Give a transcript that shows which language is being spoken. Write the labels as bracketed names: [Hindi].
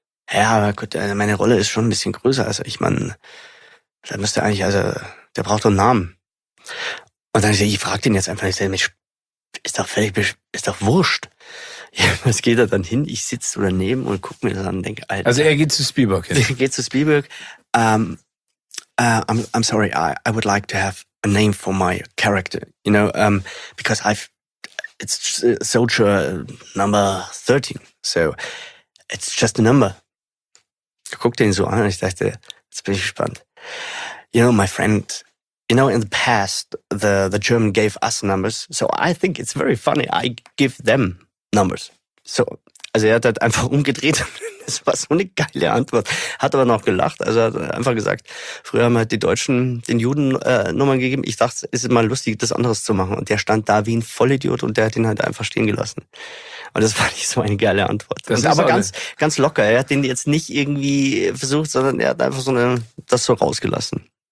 [German] Ja, aber gut, meine Rolle ist schon ein bisschen größer. Also ich meine, da müsste eigentlich, also, der braucht doch einen Namen. Und dann ich frage den jetzt einfach, ich sage, ist doch wurscht. Ja, was geht da dann hin? Ich sitze so daneben und gucke mir das an und denke, Alter. Also er geht zu Spielberg jetzt. Geht zu Spielberg. [English] I'm sorry, I would like to have a name for my character, you know, because it's Soldier number 13, so it's just a number. [German] Ich guckte ihn so an und ich dachte, jetzt bin ich gespannt. [English] You know, my friend, you know, in the past, the German gave us numbers, so I think it's very funny, I give them numbers. So, [German] also er hat halt einfach umgedreht und Das war so eine geile Antwort. Hat aber noch gelacht. Also hat einfach gesagt, früher haben halt die Deutschen den Juden Nummern gegeben. Ich dachte, es ist mal lustig, das anderes zu machen. Und der stand da wie ein Vollidiot und der hat ihn halt einfach stehen gelassen. Und das fand ich so eine geile Antwort. Das ist aber ganz, ganz locker. Er hat den jetzt nicht irgendwie versucht, sondern er hat einfach so eine, das so rausgelassen.